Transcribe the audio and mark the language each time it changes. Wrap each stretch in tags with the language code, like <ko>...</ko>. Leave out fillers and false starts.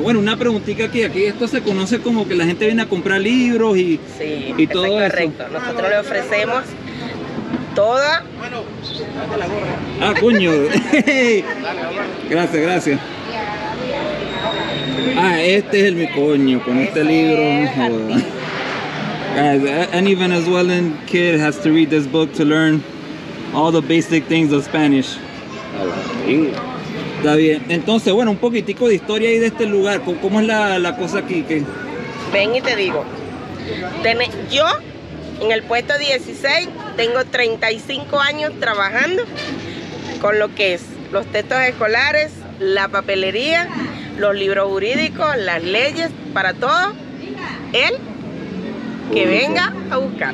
<es>Bueno, una preguntita aquí esto se conoce como que la gente viene a comprar libros y, sí, y todo correcto. Eso. Sí, correcto. Nosotros le ofrecemos toda... Bueno, date la gorra. Ah, coño. Gracias, gracias. Ah, este es el mi coño con este libro.</es> <en>Guys, any Venezuelan kid has to read this book to learn all the basic things of Spanish.</en> <es>Está bien. Entonces, bueno, un poquitico de historia ahí de este lugar. ¿Cómo es la cosa aquí? ¿Qué? Ven y te digo. Yo, en el puesto 16, tengo 35 años trabajando con lo que es los textos escolares, la papelería, los libros jurídicos, las leyes, para todo, él que venga a buscar.</es>